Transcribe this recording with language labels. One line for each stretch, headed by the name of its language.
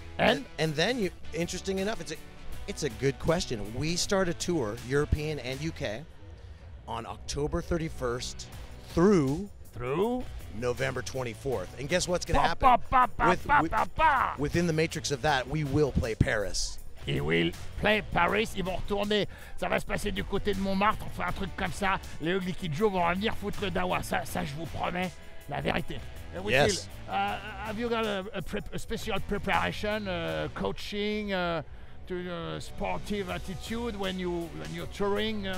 English: And then, you, interesting enough, it's a good question. We start a tour, European and UK, on October 31st. Through November 24th. And guess what's going to happen? Within the matrix of that, we will play Paris.
French: Ils vont play Paris, ils vont retourner. Ça va se passer du côté de Montmartre, on fait un truc comme ça. Les Ugly Kid Joe vont revenir foutre le dawa. Ça, je vous promets la vérité.
English: Yes. Have you got a special preparation, coaching, to sportive attitude when you're touring?